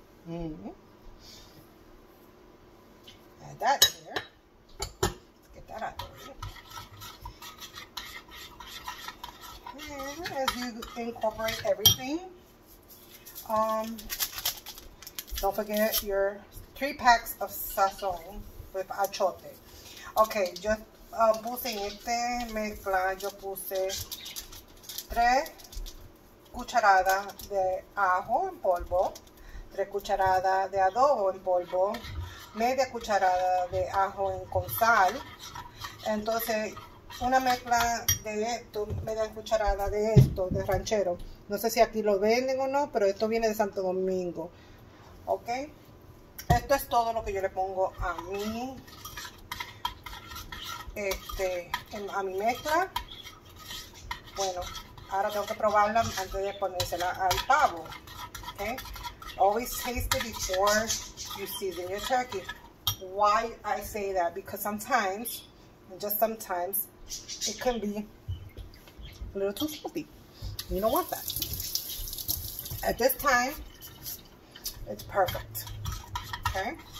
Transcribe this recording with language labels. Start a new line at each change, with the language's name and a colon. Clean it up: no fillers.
English: Add that in here. Get that out the way. And as you incorporate everything, don't forget your 3 packs of sazón with achiote.
Spanish: Okay, yo puse en este mezcla, yo puse 3 cucharadas de ajo en polvo. 3 cucharadas de adobo en polvo, media cucharada de ajo en con sal. Entonces, una mezcla de esto, media cucharada de esto, de ranchero. No sé si aquí lo venden o no, pero esto viene de Santo Domingo. ¿Ok? Esto es todo lo que yo le pongo a mi mezcla. Bueno, ahora tengo que probarla antes de ponérsela al pavo. ¿Ok?
English: Always taste it before you season your turkey. Why I say that? Because sometimes, and just sometimes, it can be a little too salty. You don't want that. At this time, it's perfect. Okay?